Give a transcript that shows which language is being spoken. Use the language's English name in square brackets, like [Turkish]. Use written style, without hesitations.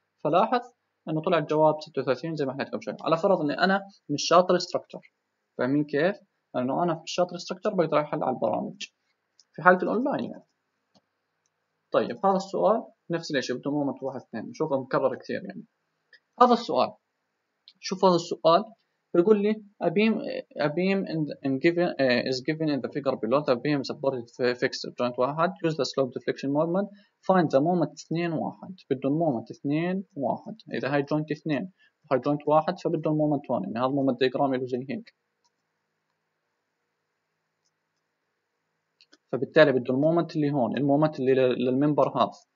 [Arabic] فلاحظ انه طلع الجواب 36 زي ما حكيت لكم شوي. على فرض اني انا مش شاطر استركتور، فاهمين كيف؟ لأنه أنا في الشاطر استركتر بقدر أحل على البرامج في حالة الأونلاين يعني. طيب هذا السؤال نفس الشيء، بده مومنت 1 2، شوفه مكرر كثير يعني. هذا السؤال، شوف هذا السؤال بيقول لي [English] a beam is given in the figure below. The beam supported fixed joint 1. Use the slope deflection moment. Find the moment 2 1. [Arabic] بده المومنت 2 1، إذا هاي joint 2 وهاي joint 1 فبده المومنت 1، يعني هذا المومنت ديجرامي له زي هيك، فبالتالي بده المومنت اللي هون، المومنت اللي للمنبر هذا،